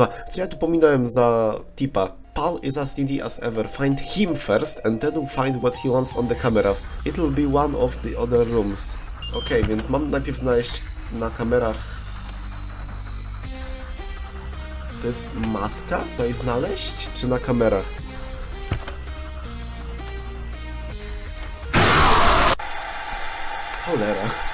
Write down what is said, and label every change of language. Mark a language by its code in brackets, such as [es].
[pl] Co ja tu pominąłem za tipa? [en] Paul is as needy as ever. Find him first and then we'll find what he wants on the cameras. It'll be one of the other rooms. [pl] Okej, więc mam najpierw znaleźć na kamerach... To jest maska? Tutaj znaleźć? Czy na kamerach? Cholera.